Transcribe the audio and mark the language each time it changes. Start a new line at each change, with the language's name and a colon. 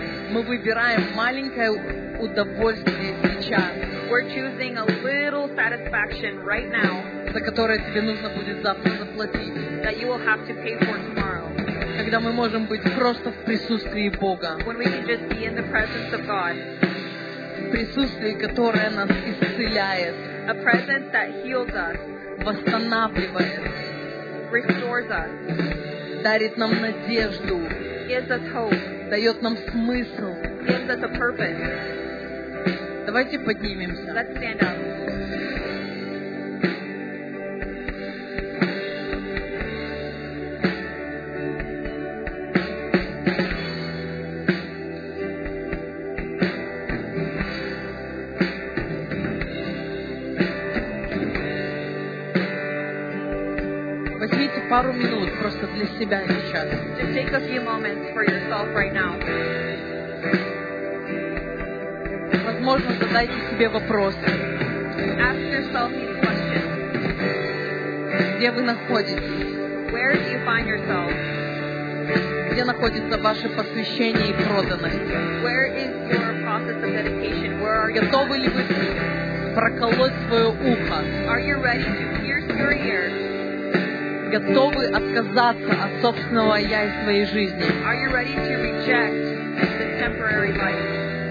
Russian: Мы выбираем маленькое удовольствие сейчас.
English: We're choosing a little satisfaction right now.
Russian: За которое тебе нужно будет завтра заплатить.
English: That you will have to pay for tomorrow.
Russian: Когда мы можем быть просто в присутствии Бога.
English: When we can just be in the presence of God.
Russian: Присутствие, которое нас исцеляет.
English: A presence that heals us.
Russian: Восстанавливает.
English: Restores us.
Russian: Дарит нам надежду.
English: Gives us hope.
Russian: Дает нам смысл.
English: Gives us a purpose.
Russian: Давайте поднимемся.
English: Let's stand up.
Russian: Пару минут просто для себя сейчас.
English: Just take a few moments for yourself right now.
Russian: Возможно, задайте себе вопрос.
English: Ask yourself these questions.
Russian: Где вы находитесь?
English: Where do you find yourself?
Russian: Где находится ваше посвящение и проданность?
English: Where is your process of dedication? Where are you?
Russian: Готовы ли вы проколоть свое ухо?
English: Are you ready to pierce your ear?
Russian: Готовы отказаться от собственного я и своей жизни?
English: Are you ready to reject the temporary life?